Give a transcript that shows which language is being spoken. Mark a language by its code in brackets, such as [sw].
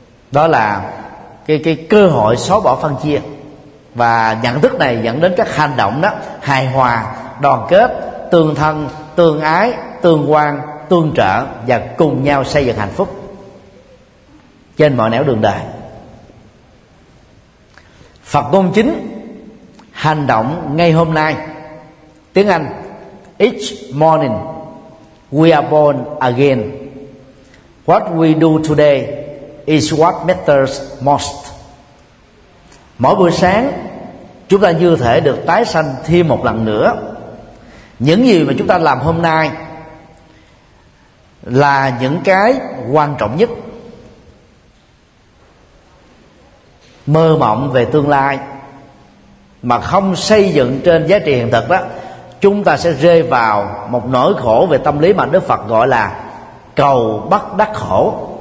[vi] Đó là cái cơ hội xóa bỏ phân chia. Và nhận thức này dẫn đến các hành động đó hài hòa, đoàn kết, tương thân, tương ái, tương quan, tương trợ và cùng nhau xây dựng hạnh phúc trên mọi nẻo đường đời. Phật ngôn chính hành động ngay hôm nay, tiếng Anh: [en] Each morning we are born again. What we do today is what matters most. [vi] Mỗi buổi sáng chúng ta như thể được tái sanh thêm một lần nữa. Những gì mà chúng ta làm hôm nay là những cái quan trọng nhất. Mơ mộng về tương lai mà không xây dựng trên giá trị hiện thực đó, chúng ta sẽ rơi vào một nỗi khổ về tâm lý mà Đức Phật gọi là cầu bất đắc khổ.